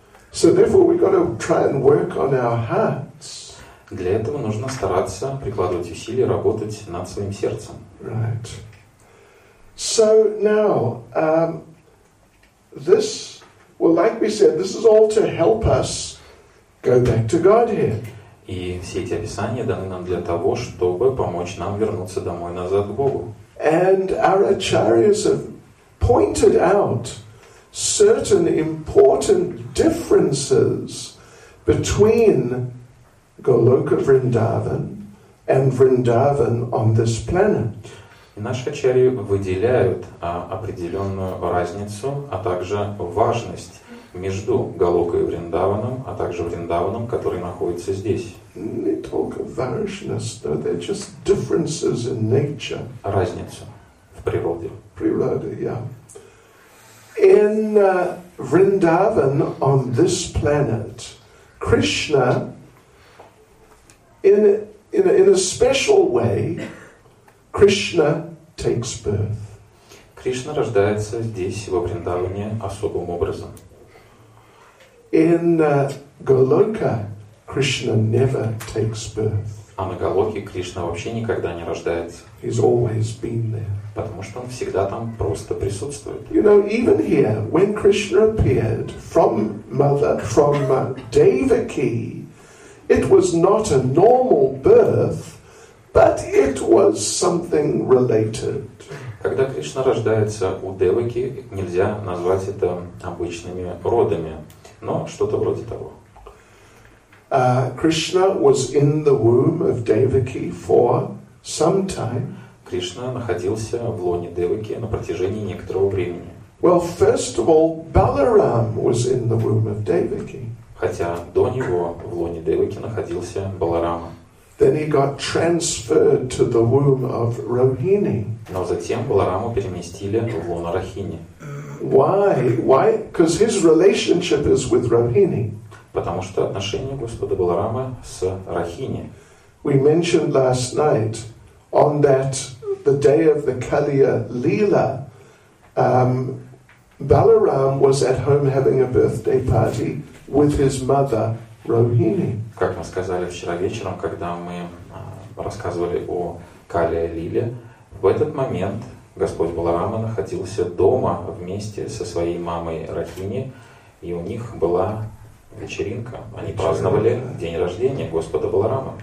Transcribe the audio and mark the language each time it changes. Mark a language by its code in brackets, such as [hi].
[en] So therefore we got to try and work on our hearts. [ru] Для этого нужно стараться прикладывать усилия, работать над своим сердцем. [en] Right. So now, this, well, like we said, this is all to help us go back to Godhead. [ru] И все эти описания даны нам для того, чтобы помочь нам вернуться домой назад к Богу. [en] And our acharyas have pointed out certain important differences between Goloka Vrindavan and Vrindavan on this planet. [ru] И наши ачарьи выделяют определенную разницу, а также важность между Голокой и Вриндаваном, а также Вриндаваном, который находится здесь. Разница в природе. [en] Природа, yeah. In Vrindavan on this planet, Krishna in a special way, Krishna takes birth. [ru] Кришна рождается здесь во Вриндаване особым образом. [en] In Goloka, Krishna never takes birth. [ru] А на Голоке Кришна вообще никогда не рождается. [en] He's always been there. [ru] Потому что он всегда там просто присутствует. [en] You know, even here, when Krishna appeared from Devaki, it was not a normal birth, but it was something related. [ru] Когда Кришна рождается у Деваки, нельзя назвать это обычными родами. Но что-то вроде того. [en] Krishna was in the womb of Devaki for some time. [ru] Кришна находился в лоне Деваки на протяжении некоторого времени. [en] Well, first of all, Balaram was in the womb of Devaki. [ru] Хотя до него в лоне Деваки находился Баларама. [en] Then he got transferred to the womb of Rohini. [ru] Но затем Баларама переместили в лоно Рахини. [en] Why? Why? Because his relationship is with Rohini. [ru] Потому что отношение Господа Баларамы с Рахини. [en] We mentioned last night on that the day of the Kaliya Leela, Balaram was at home having a birthday party with his mother Rohini. [ru] Как мы сказали вчера вечером, когда мы рассказывали о Калия Лиле, в этот момент Господь Баларама находился дома вместе со своей мамой Рахини, и у них была вечеринка. Они праздновали день рождения Господа Баларама.